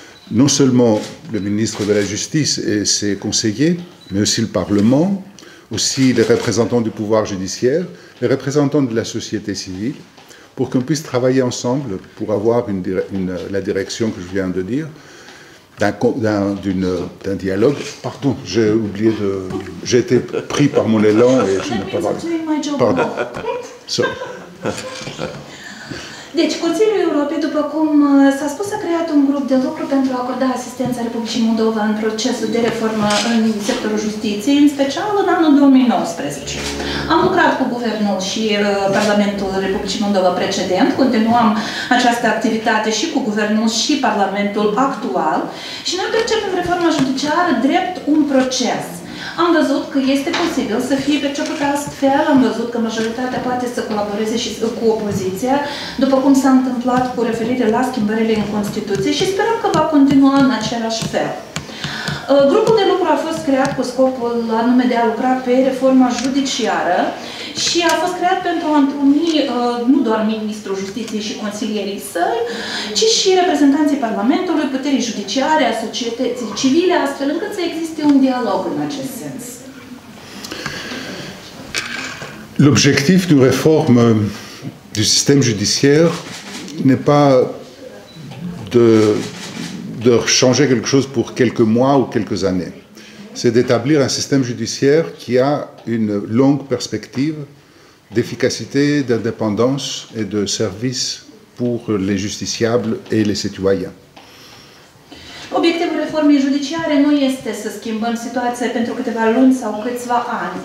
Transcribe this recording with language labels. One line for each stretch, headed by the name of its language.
French: non seulement le ministre de la Justice et ses conseillers, mais aussi le Parlement, aussi les représentants du pouvoir judiciaire, les représentants de la société civile, pour qu'on puisse travailler ensemble pour avoir la direction que je viens de dire, d'un dialogue. Pardon, j'ai oublié de... J'ai été pris par mon élan et je n'ai pas parlé. Pardon.
English: Sorry.
Romanian: Deci, Consiliul Europei, după cum s-a spus, a creat un grup de lucru pentru a acorda asistența Republicii Moldova în procesul de reformă în sectorul justiției, în special în anul 2019. Am lucrat cu Guvernul și Parlamentul Republicii Moldova precedent, continuam această activitate și cu Guvernul și Parlamentul actual și noi percepem reforma judiciară drept un proces. Am văzut că este posibil să fie perceput astfel, am văzut că majoritatea poate să colaboreze și cu opoziția, după cum s-a întâmplat cu referire la schimbările în Constituție și sperăm că va continua în același fel. Grupul de lucru a fost creat cu scopul anume de a lucra pe reforma judiciară și a fost creat pentru a întâlni nu doar ministrul justiției și consilierii săi, ci și reprezentanții Parlamentului, puterii judiciare, a societății civile, astfel încât să existe un dialog în acest sens.
French: L'objectif de reformă du système judiciaire n'est pas de changer quelque chose pour quelques mois ou quelques années. C'est d'établir un système judiciaire qui a une longue perspective d'efficacité, d'indépendance et de service pour les justiciables et les citoyens.
Romanian: Obiectivul reformei judiciare nu este să schimbăm situația pentru câteva luni sau câțiva ani.